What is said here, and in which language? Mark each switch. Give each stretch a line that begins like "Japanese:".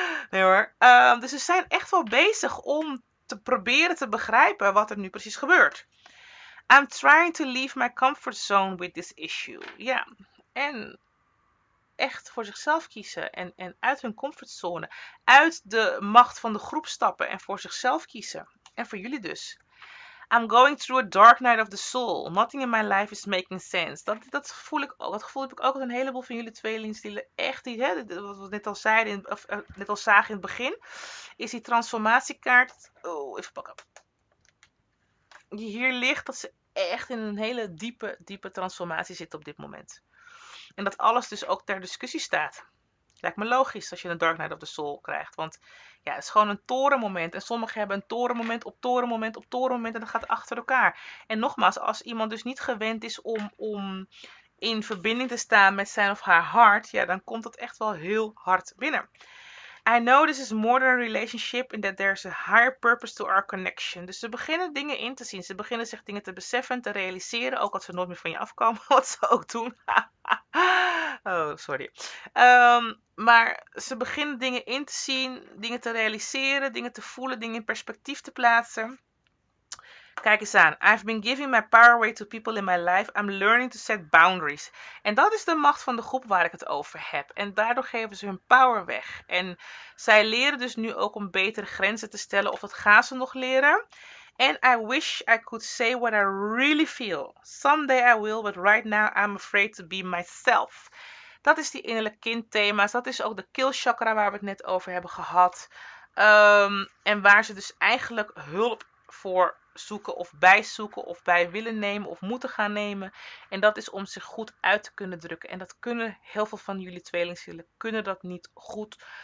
Dutch: Nee hoor. Dus ze zijn echt wel bezig om te proberen te begrijpen wat er nu precies gebeurt.
English: I'm trying to leave my comfort zone with this issue.
Dutch: Ja. En echt voor zichzelf kiezen. En uit hun comfortzone. Uit de macht van de groep stappen. En voor zichzelf kiezen. En voor jullie dus.
English: I'm going through a dark night of the soul. Nothing in my life is making sense.
Dutch: Dat voel ik ook. Dat gevoel heb ik ook met een heleboel van jullie tweelingzielen. Echt die, hè, wat we net al zeiden, net al zagen in het begin, is die transformatiekaart. Oh, even pakken. Die hier ligt, dat ze echt in een hele diepe, diepe transformatie zit op dit moment. En dat alles dus ook ter discussie staat. Lijkt me logisch als je een Dark Night of the Soul krijgt. Want ja, het is gewoon een torenmoment. En sommigen hebben een torenmoment op torenmoment op torenmoment. En dat gaat achter elkaar. En nogmaals, als iemand dus niet gewend is om in verbinding te staan met zijn of haar hart. Ja, dan komt dat echt wel heel hard binnen.
English: I know this is more than a relationship and that there's a higher purpose to our connection.
Dutch: Dus ze beginnen dingen in te zien. Ze beginnen zich dingen te beseffen, te realiseren. Ook als ze nooit meer van je afkomen, wat ze ook doen. Oh, sorry. Maar ze beginnen dingen in te zien, dingen te realiseren, dingen te voelen, dingen in perspectief te plaatsen. Kijk eens aan.
English: I've been giving my power away to people in my life. I'm learning to set boundaries.
Dutch: En dat is de macht van de groep waar ik het over heb. En daardoor geven ze hun power weg. En zij leren dus nu ook om betere grenzen te stellen. Of dat gaan ze nog leren.
English: And I wish I could say what I really feel. Someday I will, but right now I'm afraid to be myself.
Dutch: Dat is die innerlijk kind thema's. Dat is ook de keelchakra waar we het net over hebben gehad. En waar ze dus eigenlijk hulp voor zoeken of bijzoeken of bij willen nemen of moeten gaan nemen. En dat is om zich goed uit te kunnen drukken. En dat kunnen heel veel van jullie tweelingzielen, kunnen dat niet goed.